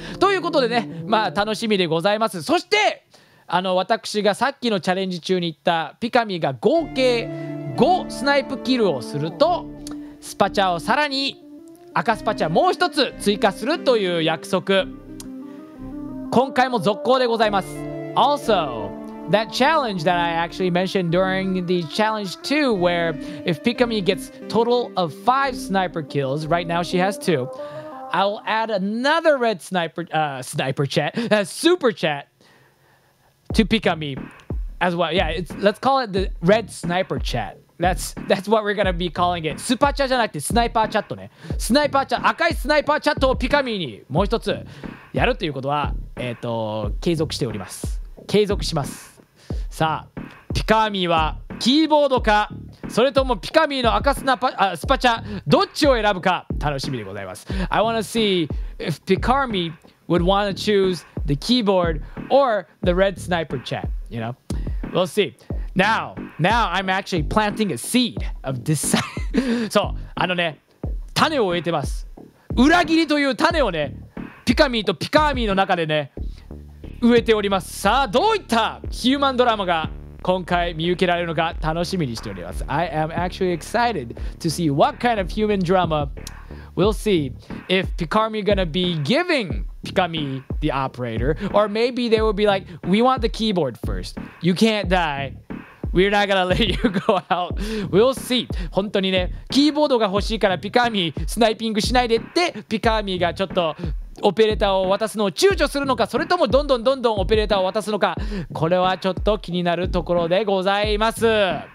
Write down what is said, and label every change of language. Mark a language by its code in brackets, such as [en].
[ja] ということでね、まあ楽しみでございます。そしてあの私がさっきのチャレンジ中に言ったピカミが合計5スナイプキルをすると、スパチャをさらに赤スパチャもう一つ追加するという約束、今回も続行でございます。 [en] Also, that challenge that I actually mentioned during the challenge 2, where if Pikamee gets total of 5 sniper kills, right now she has 2, I'll add another red super chat to Pikamee as well. Yeah, let's call it the red sniper chat. That's what we're gonna be calling it. [ja] スパチャじゃなくてスナイパーチャットね。スナイパーチャ、赤いスナイパーチャットをPikameeにもう一つやるということは、継続しております、継続します。さあピカミーはキーボードか、それともピカミーの赤スナパスパチャ、どっちを選ぶか楽しみでございます。 [en] I wanna see if Pikamee would wanna choose the keyboard or the red sniper chat, you know, we'll see. Now I'm actually planting a seed of this. [ja] そう、あのね、種を植えてます。裏切りという種をね、ピカミーとピカーミーの中でね、植えております。さあどういったヒューマンドラマが今回見受けられるのか楽しみにしております。 [en] I am actually excited to see what kind of human drama. We'll see if Pikamee gonna be giving Pikamee the operator, or maybe they will be like, we want the keyboard first. You can't die. We're not gonna let you go out. We'll see. [ja] 本当にね、キーボードが欲しいからピカーミースナイピングしないでって、ピカーミーがちょっとオペレーターを渡すのを躊躇するのか、それともどんどんどんどんオペレーターを渡すのか、これはちょっと気になるところでございます。